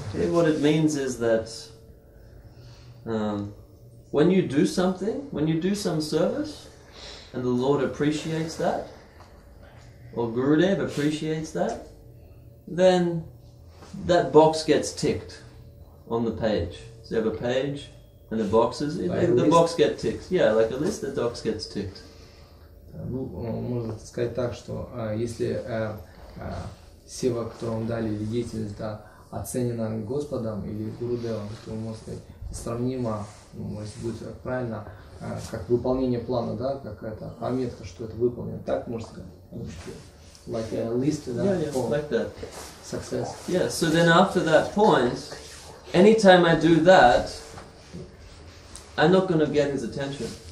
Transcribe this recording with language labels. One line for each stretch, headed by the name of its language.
English: What it means is that when you do something, when you do some service, and the Lord appreciates that, or Gurudev appreciates that, then that box gets ticked on the page. So you have a page and the boxes, the box gets ticked. Yeah, like a list, the box gets ticked.
Russian: Ну, можно сказать так, что если сева, которую вам дали, или деятельность, да, оценена Господом или Гурудевом, то можно сказать, сравнимо, если будет правильно, как выполнение плана, да, какая-то пометка, что это выполнено. Так можно сказать?
English: Like a list of that point. Like that. Success. Yeah, so then after that point, anytime I do that, I'm not going to get his attention.